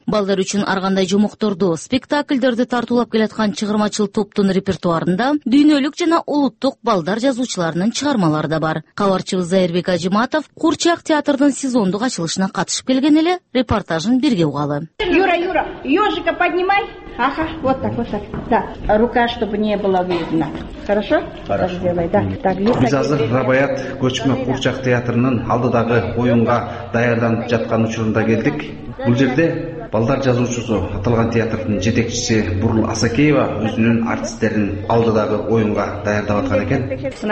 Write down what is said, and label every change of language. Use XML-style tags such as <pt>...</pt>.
<ky>Балдар үчүн ар кандай жомокторду, спектакльдерди тартуулап келаткан чыгармачыл топтун репертуарында дүйнөлүк жана улуттук балдар жазуучуларынын чыгармалары да бар. Кабарчыбыз Зайырбек Ажыматов курчак театрдын сезондук ачылышына катышып келген эле репортажын бирге угалы.</ky> <ru>Юра, ёжика поднимай. Ага, вот так. Да, рука, чтобы не было видно. Хорошо?</ru> <ky>Биз азыр Рабаят көчмө курчак театрынын алдыдагы оюнга даярданып жаткан учурунда келдик. Бул жерде балдар жазуучусу аталган театрдын жетекчиси Бурул Асакеева өзүнүн артисттерин алдыдагы оюнга даярдап аткан экен.</ky>